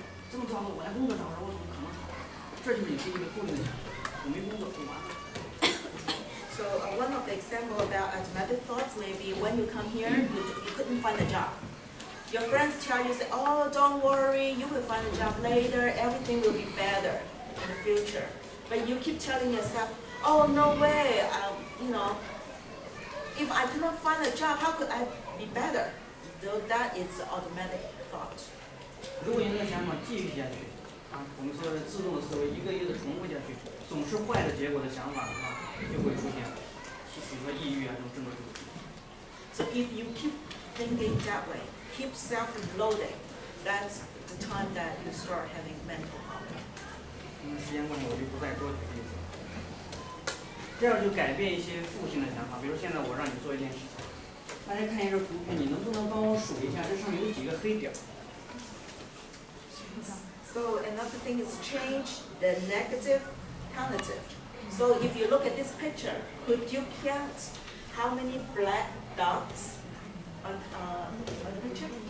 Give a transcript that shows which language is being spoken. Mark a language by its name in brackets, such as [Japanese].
[Chinese] 那么比如说我们在来这里，你发现我失业，根本找不到工作，别人肯定劝你啊，会好的，你再努力啊，很会好，你别说不可能好，这么糟糕，我连工作找不着，我怎么？ [English] So one of the examples about automatic thoughts may be when you come here, you couldn't find a job. Your friends tell you, say, oh, don't worry, you will find a job later, everything will be better in the future. But you keep telling yourself, oh, no way, you know, if I cannot find a job, how could I be better? though that is automatic thought. [Chinese] 如果您的想法继续下去，啊，我们说的自动的思维，一个一个重复下去，总是坏的结果的想法的话，就会出现，比如说抑郁啊这种症状就会出现。 [English] So if you keep thinking that way, keep self-loading, that's the time that you start having mental problems. [Chinese] 因为时间关系，我就不再多举例子。这样就改变一些负性的想法，比如现在我让你做一件事情，大家看一下图片，你能不能帮我数一下这上面有几个黑点？ [English] So another thing is change the negative connotative. So if you look at this picture, could you count how many black dots on the picture?